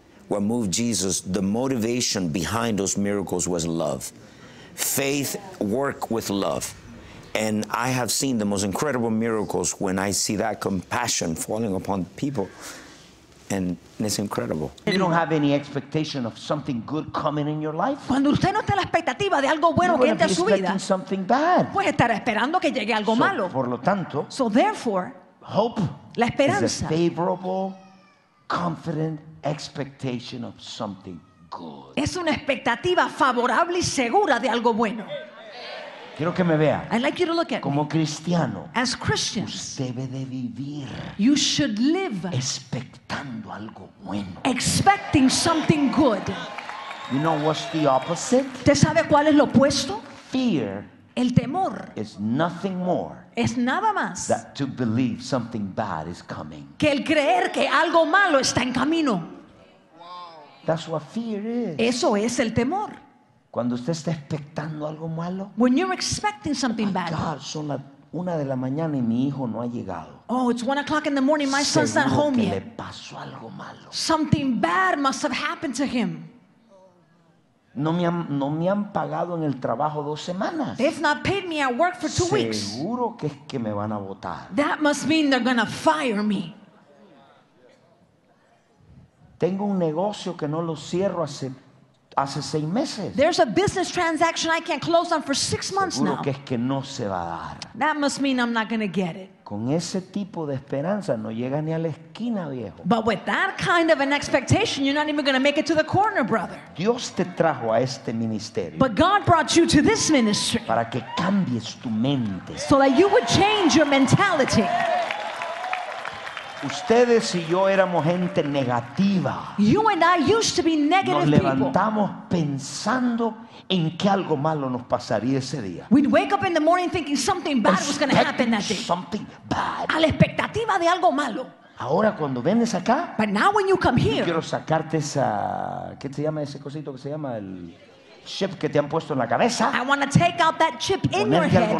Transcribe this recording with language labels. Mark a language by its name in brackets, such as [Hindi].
[English] What moved Jesus, the motivation behind those miracles was love. Faith worked with love. And I have seen the most incredible miracles when I see that compassion falling upon people. And it's incredible. You don't have any expectation of something good coming in your life? [Spanish] Cuando usted no está la expectativa de algo bueno que entre a su vida, [English] you're going to be expecting something bad. [Spanish] Pues estará esperando que llegue algo malo. Por lo tanto, [English] so therefore, hope, [Spanish] la esperanza, [English] is a favorable, confident expectation of something good. [Spanish] Es una expectativa favorable y segura de algo bueno. Quiero que me vea. [English] I'd like you to look at [Spanish] como [English] me. [Spanish] Cristiano, [English] as Christians, [Spanish] usted debe de vivir, [English] you should live [Spanish] expectando algo bueno. [English] Expecting something good. You know what's the opposite? [Spanish] ¿Te sabe cuál es lo opuesto? [English] Fear. [Spanish] El temor. [English] Is nothing more. [Spanish] Es nada más. [English] That to believe something bad is coming. [Spanish] Que el creer que algo malo está en camino. [English] Wow. That's what fear is. [Spanish] Eso es el temor. Cuando usted está expectando algo malo. [English] When you're expecting something bad. [Spanish] God, son las 1 de la mañana y mi hijo no ha llegado. [English] Oh, it's 1 o'clock in the morning, my son's not home yet. [Spanish] Seguro que le pasó algo malo. [English] Something bad must have happened to him. [Spanish] No me han pagado en el trabajo 2 semanas. [English] They've not paid me at work for 2 weeks. [Spanish] Seguro que es que me van a botar. [English] That must mean they're going to fire me. [Spanish] Tengo un negocio que no lo cierro hace 6 meses. [English] There's a business transaction I can't close on for 6 months [Spanish] Seguro [English] now. [Spanish] Que es que no se va a dar. [English] That must mean I'm not going to get it. [Spanish] Con ese tipo de esperanza no llega ni a la esquina, viejo. [English] But with that kind of an expectation, you're not even going to make it to the corner, brother. [Spanish] Dios te trajo a este ministerio. [English] But God brought you to this ministry. [Spanish] Para que cambies tu mente. [English] So that you would change your mentality. [Spanish] Ustedes y yo éramos gente negativa. [English] You and I used to be negative people. [Spanish] Nos levantamos pensando en que algo malo nos pasaría ese día. [English] We'd wake up in the morning thinking something bad was going to happen that day. Something bad. [Spanish] A la expectativa de algo malo. Ahora cuando vienes acá, [English] but now when you come here, [Spanish] yo quiero sacarte esa, ¿qué se llama ese cosito que se llama el chip que te han puesto en la cabeza? [English] I want to take out that chip in your head